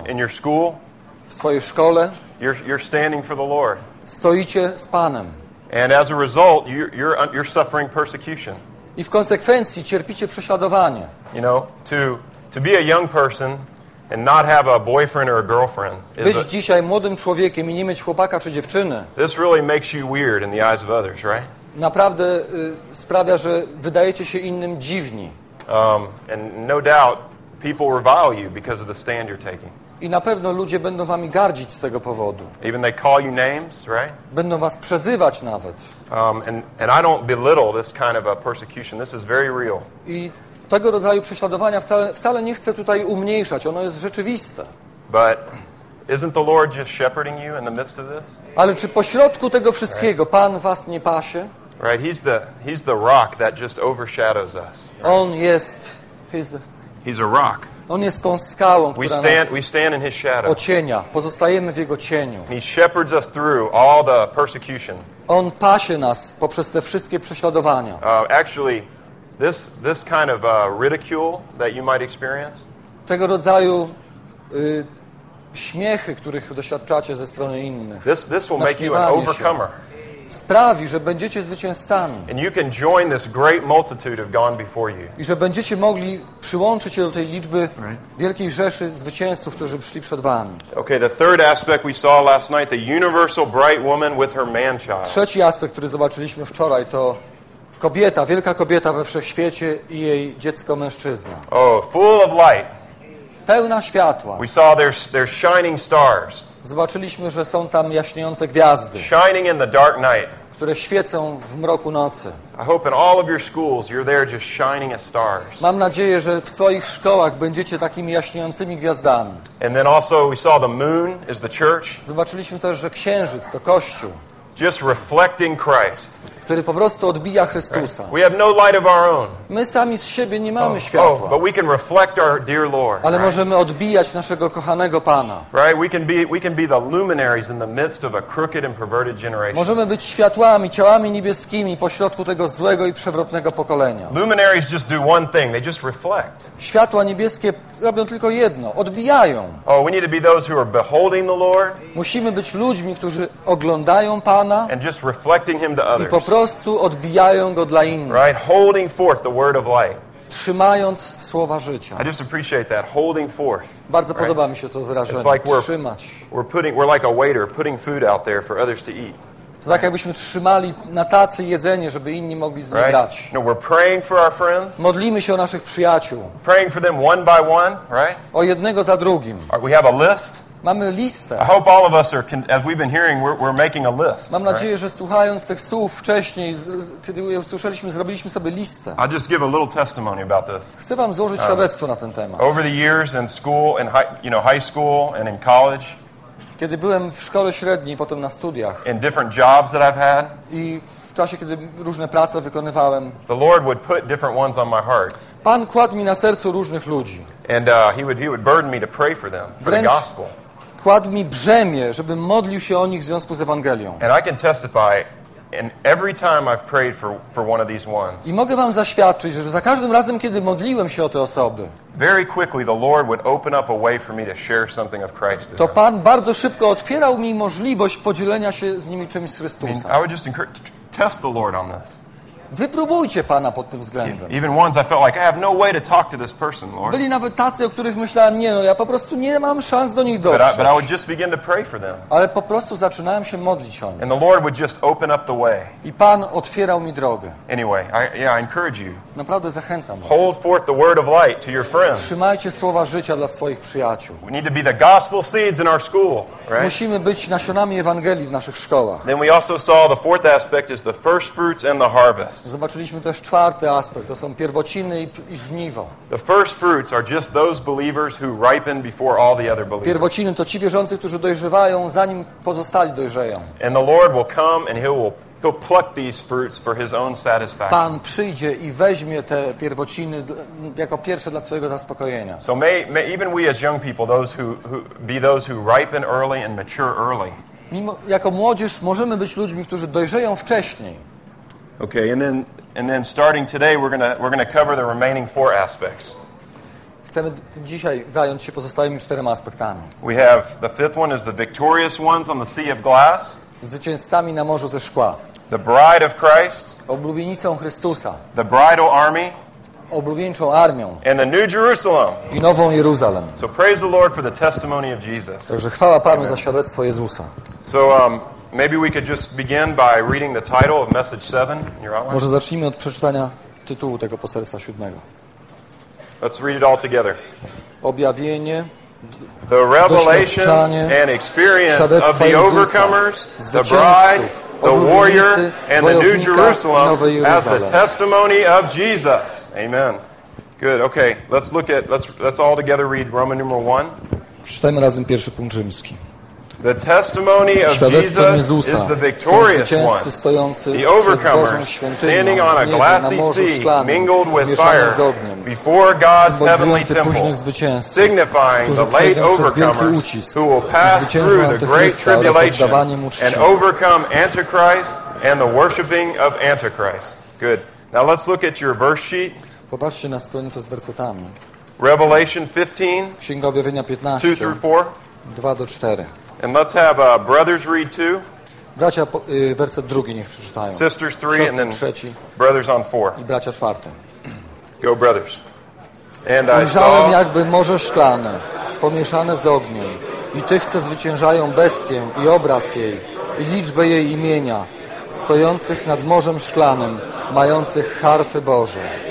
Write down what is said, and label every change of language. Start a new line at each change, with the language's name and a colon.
English: You know, in your school.
Polish: W swojej szkole.
English: You're standing for the Lord.
Polish: Stoicie z Panem.
English: And as a result, you're suffering persecution.
Polish: I w konsekwencji cierpicie prześladowanie.
English: You know, to be a young person and not have a boyfriend or a girlfriend.
Polish: Być dzisiaj młodym człowiekiem i nie mieć chłopaka czy dziewczyny.
English: This really makes you weird in the eyes of others, right?
Polish: Naprawdę sprawia, że wydajecie się innym dziwni.
English: And no doubt people revile you because of the stand you're taking.
Polish: I na pewno ludzie będą wami gardzić z tego powodu.
English: Even they call you names, right?
Polish: Będą was przezywać nawet.
English: And I don't belittle this kind of a persecution. This is very real.
Polish: I tego rodzaju prześladowania wcale nie chcę tutaj umniejszać. Ono jest rzeczywiste.
English: But isn't the Lord just shepherding you in the midst of this?
Polish: Ale czy pośrodku tego wszystkiego right. Pan was nie pasie?
English: Right, he's the rock that just overshadows us. Right?
Polish: On jest,
English: he's the... He's a rock.
Polish: On jest tą skałą, która
English: we stand in his shadow.
Polish: Ocienia. Pozostajemy w jego cieniu.
English: He shepherds us through all the persecutions.
Polish: On pasie nas poprzez te wszystkie prześladowania.
English: Actually, this kind of ridicule that you might experience.
Polish: Tego rodzaju śmiechy, których doświadczacie ze strony innych.
English: This will make you an overcomer.
Polish: Sprawi, że będziecie zwycięzcami.
English: And you can join this great multitude of gone before you.
Polish: I że będziecie mogli przyłączyć się do tej liczby wielkiej rzeszy zwycięzców, którzy przyszli przed wami.
English: Okay, the third aspect we saw last night, the universal bright woman with her man-child.
Polish: Trzeci aspekt, który zobaczyliśmy wczoraj, to kobieta, wielka kobieta we wszechświecie i jej dziecko mężczyzna.
English: Oh, full of light.
Polish: Pełna światła.
English: We saw there's shining stars.
Polish: Zobaczyliśmy, że są tam jaśniejące gwiazdy.
English: Shining in the dark night.
Polish: Które świecą w mroku nocy.
English: I hope in all of your schools you're there just shining as stars.
Polish: Mam nadzieję, że w swoich szkołach będziecie takimi jaśniejącymi gwiazdami.
English: And then also we saw the moon is the church.
Polish: Zobaczyliśmy też, że księżyc to kościół.
English: Just reflecting Christ.
Polish: Który po prostu odbija Chrystusa.
English: We have no light of our own.
Polish: My sami z siebie nie mamy światła.
English: But we can reflect our dear Lord.
Polish: Ale możemy odbijać naszego kochanego Pana.
English: Right? We can be the luminaries in the midst of a crooked and perverted generation.
Polish: Możemy być światłami, ciałami niebieskimi pośrodku tego złego i przewrotnego pokolenia.
English: Luminaries just do one thing. They just reflect.
Polish: Światła niebieskie robią tylko jedno. Odbijają.
English: Oh, we need to be those who are beholding the Lord.
Polish: Musimy być ludźmi, którzy oglądają Pana.
English: And just reflecting Him to others.
Polish: Po prostu odbijają go dla innych.
English: Right, holding forth the word of life.
Polish: Trzymając słowa życia.
English: I just appreciate that, holding forth.
Polish: Bardzo podoba mi się to wyrażenie.
English: It's like
Polish: trzymać.
English: We're like a waiter putting food out there for others to eat.
Polish: To tak jakbyśmy trzymali na tacy jedzenie, żeby inni mogli z niej brać.
English: No, we're praying for our friends.
Polish: Modlimy się o naszych przyjaciół.
English: Praying for them one by one, right?
Polish: O jednego za drugim.
English: We have a list.
Polish: Mamy listę.
English: I hope all of us are, as we've been hearing, we're making a list.
Polish: Mam nadzieję, że słuchając tych słów wcześniej, kiedy je usłyszeliśmy, zrobiliśmy sobie listę.
English: I'll just give a little testimony about this.
Polish: Chcę wam złożyć świadectwo na ten temat.
English: Over the years in school, in high school and in college.
Polish: Kiedy byłem w szkole średniej, potem na studiach.
English: In different jobs that I've had.
Polish: I w czasie, kiedy różne prace wykonywałem.
English: The Lord would put different ones on my heart.
Polish: Pan kładł mi na sercu różnych ludzi.
English: And he would burden me to pray for them, for the gospel.
Polish: Kładł mi brzemię, żebym modlił się o nich w związku z Ewangelią.
English: And I can testify, and every time I've prayed for one of these ones.
Polish: I mogę wam zaświadczyć, że za każdym razem, kiedy modliłem się o te osoby,
English: very quickly the Lord would open up a way for me to share something of Christ.
Polish: To Pan bardzo szybko otwierał mi możliwość podzielenia się z nimi czymś z Chrystusem.
English: I would just encourage, test the Lord on this.
Polish: Wypróbujcie Pana pod tym względem.
English: Even ones I felt like I have no way to talk to this person, Lord.
Polish: Byli nawet tacy, o których myślałem, nie, no ja po prostu nie mam szans do nich dotrzeć.
English: But I would just begin to pray for them.
Polish: Ale po prostu zaczynałem się modlić o nich.
English: And the Lord would just open up the way.
Polish: I Pan otwierał mi drogę.
English: Anyway, I encourage you.
Polish: Naprawdę zachęcam was.
English: Hold forth the word of light to your friends.
Polish: Trzymajcie słowa życia dla swoich przyjaciół.
English: We need to be the gospel seeds in our school, right?
Polish: Musimy być nasionami Ewangelii w naszych szkołach.
English: Then we also saw the fourth aspect is the first fruits and the harvest.
Polish: Zobaczyliśmy też czwarty aspekt, to są pierwociny i żniwo.
English: The first fruits are just those believers who ripen before all the other believers.
Polish: Pierwociny to ci wierzący, którzy dojrzewają zanim pozostali dojrzeją.
English: And the Lord will come and he'll pluck these fruits for his own satisfaction.
Polish: Pan przyjdzie i weźmie te pierwociny jako pierwsze dla swojego zaspokojenia.
English: So may even we as young people those who ripen early and mature early.
Polish: Mimo jako młodzież możemy być ludźmi, którzy dojrzeją wcześniej.
English: Okay, and then starting today we're gonna cover the remaining four aspects.
Polish: Chcemy dzisiaj zająć się pozostałymi czterema aspektami.
English: We have the fifth one is the victorious ones on the sea of glass.
Polish: Zwycięzcami na morzu ze szkła.
English: The bride of Christ.
Polish: Oblubienicą Chrystusa.
English: The bridal army.
Polish: Oblubieńczą armią.
English: And the New Jerusalem.
Polish: I nową Jeruzalem.
English: So praise the Lord for the testimony of Jesus.
Polish: Także chwała Panu za świadectwo Jezusa.
English: So maybe we could just begin by reading the title of message 7 in your outline.
Polish: Może zacznijmy od przeczytania tytułu tego poselstwa siódmego.
English: Let's read it all together.
Polish: Objawienie,
English: the revelation and experience of the overcomers, the bride, the warrior, and the new Jerusalem as the testimony of Jesus. Amen. Good. Okay. Let's all together read Roman numeral 1.
Polish: Przeczytajmy razem pierwszy punkt rzymski.
English: The testimony of Jesus is the victorious one. The overcomers standing on a glassy sea mingled with fire. before God's heavenly temple, signifying the late overcomers who will pass through the great tribulation and overcome Antichrist and the worshiping of Antichrist. Good. Now let's look at your verse sheet.
Polish: Popatrzcie na stronicę z wersetami.
English: Revelation 15,
Polish: Księga Objawienia 15, 2-4.
English: And let's have brothers read too.
Polish: Bracia, werset drugi niech przeczytają.
English: Sisters 3 and then
Polish: trzeci.
English: Brothers on 4.
Polish: I bracia czwarty.
English: Go brothers.
Polish: And ujrzałem jakby morze szklane, pomieszane z ogniem. I tych, co zwyciężają bestię i obraz jej, i liczbę jej imienia, stojących nad morzem szklanym, mających harfy Boże.